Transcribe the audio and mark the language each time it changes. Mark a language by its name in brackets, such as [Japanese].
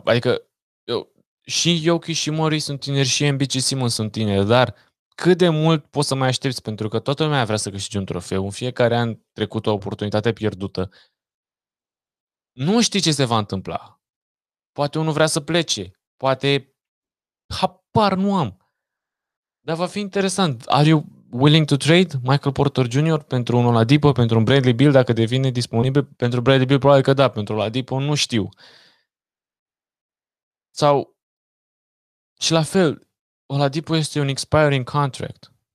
[Romanian] Adică eu, și Jokic și Murray sunt tineri, și Embiid și Simmons sunt tineri, dar cât de mult poți să mai aștepți? Pentru că toată lumea vrea să câștige un trofeu. În fiecare an trecut o oportunitate pierdută. Nu știi ce se va întâmpla. Poate unul vrea să plece. Poate habar nu am. Dar va fi interesant. [English] Are you willing to trade Michael Porter Jr. [Romanian] pentru un Oladipo, pentru un Bradley Beal, dacă devine disponibil? Pentru Bradley Beal probabil că da, pentru Oladipo nu știu. Sau, și la fel, Oladipo este un expiring contract.